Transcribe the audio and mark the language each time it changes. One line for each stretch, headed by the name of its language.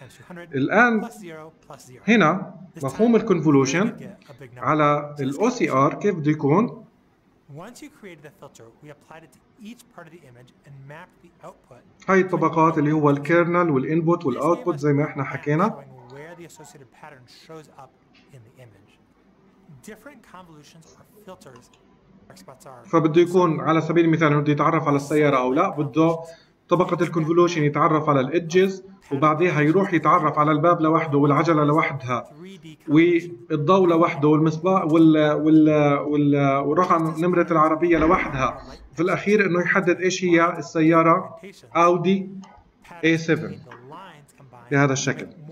Arabic: الان هنا مفهوم الكونفولوشن على الـ OCR كيف بده يكون؟
English: Once you created the filter, we applied it to each part of the image and mapped the output.
Arabic: هاي الطبقات اللي هو الكيرنل والانبوت والاوتبوت زي ما احنا حكينا.
English: Where the associated pattern shows up in the image. Different convolutions or filters.
Arabic: فبده يكون على سبيل المثال بده يتعرف على السيارة أو لا، بده طبقة الكونفولوشن يتعرف على الإدجز، وبعديها يروح يتعرف على الباب لوحده والعجلة لوحدها والضوء لوحده والمصباح والرقم نمرة العربية لوحدها، في الأخير إنه يحدد إيش هي السيارة أودي A7 بهذا الشكل.